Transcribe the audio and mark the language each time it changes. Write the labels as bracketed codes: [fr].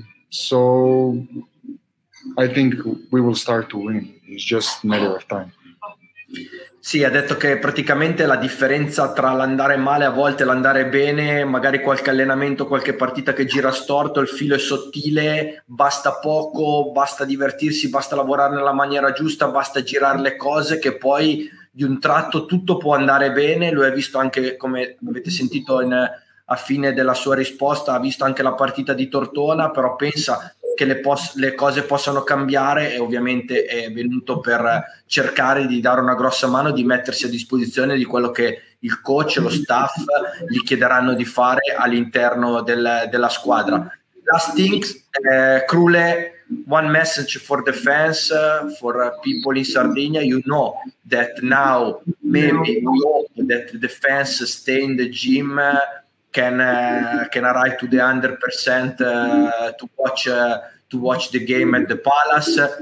[en] So I think we will start to win. It's just a matter of time. [it] Sì, ha detto che praticamente la differenza tra l'andare male a volte e l'andare bene, magari qualche allenamento, qualche partita che gira storto, il filo è sottile, basta poco, basta divertirsi, basta lavorare nella maniera giusta, basta girare le cose che poi di un tratto tutto può andare bene. Lui ha visto anche, come avete sentito a fine della sua risposta, ha visto anche la partita di Tortona, però pensa che le cose possano cambiare, e ovviamente è venuto per cercare di dare una grossa mano, di mettersi a disposizione di quello che il coach, lo staff gli chiederanno di fare all'interno della squadra. [en] Last things, Krule, one message for the fans, for people in Sardinia. You know that now maybe we hope that the fans stay in the gym, can arrive to the 100% to watch the game at the Palace.